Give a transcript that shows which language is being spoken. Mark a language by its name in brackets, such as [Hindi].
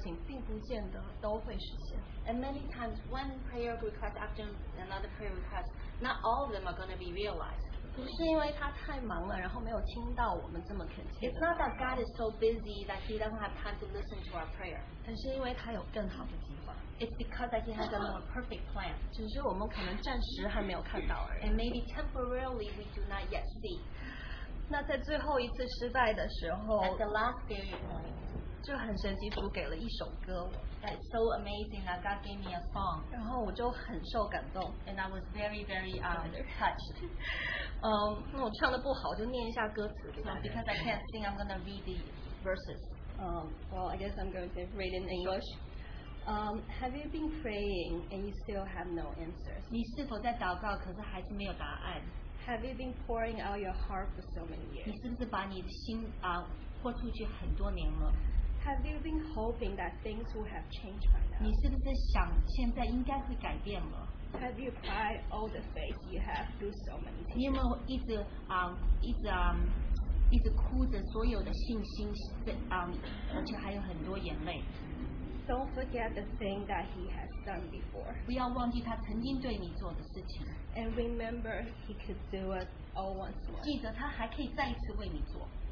[Chinese] 我们有时候一次一次向主求的事情，并不见得都会实现。 [English] And many times, one prayer request after another prayer request, not all of them are going to be realized. [Chinese] 不是因为他太忙了，然后没有听到我们这么恳切。 [English] It's not that God is so busy that He doesn't have time to listen to our prayer. [Chinese] 但是因为他有更好的计划。 [English] It's because that He has a more perfect plan. [Chinese] 只是我们可能暂时还没有看到而已。 [English] And maybe temporarily we do not yet see. [Chinese] 那在最后一次失败的时候， [English] At the last failure point, [Chinese] 就很神奇，主给了一首歌。 [English] That's so amazing that God gave me a song. [Chinese] 然后我就很受感动。 [English] And I was very, very touched. [Chinese] 那我唱得不好，就念一下歌词。 [English] Because I can't sing, I'm going to read the verses. Well, I guess I'm going to read it in English. Have you been praying and you still have no answers? [Chinese] 你是否在祷告，可是还是没有答案？ [English] Have you been pouring out your heart for so many years? [Chinese] 你是不是把你的心豁出去很多年了？ [English] Have you been hoping that things will have changed by now? [Chinese] 你是不是想现在应该会改变了？ [English] Have you cried all the faith you have through so many times? [Chinese] 你有没有一直哭着所有的信心，而且还有很多眼泪？ [English] Don't forget the thing that he has done before. [Chinese] 不要忘记他曾经对你做的事情。 [English] And remember he could do it all once more. [Chinese] 记得他还可以再一次为你做。